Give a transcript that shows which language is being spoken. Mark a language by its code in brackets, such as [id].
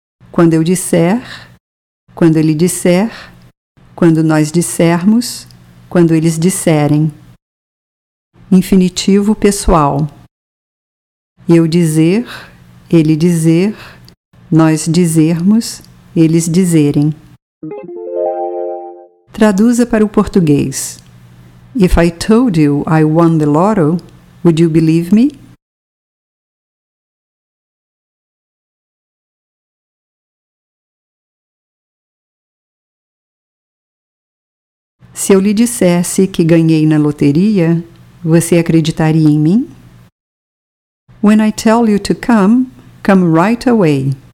[pt] Quando eu disser, quando ele disser, quando nós dissermos, quando eles disserem. Infinitivo pessoal. Eu dizer, ele dizer, nós dizermos, eles dizerem. Traduza para o português. [en] If I told you I won the lotto, would you believe me? [pt] Se eu lhe dissesse que ganhei na loteria, você acreditaria em mim? [en] When I tell you to come, come right away.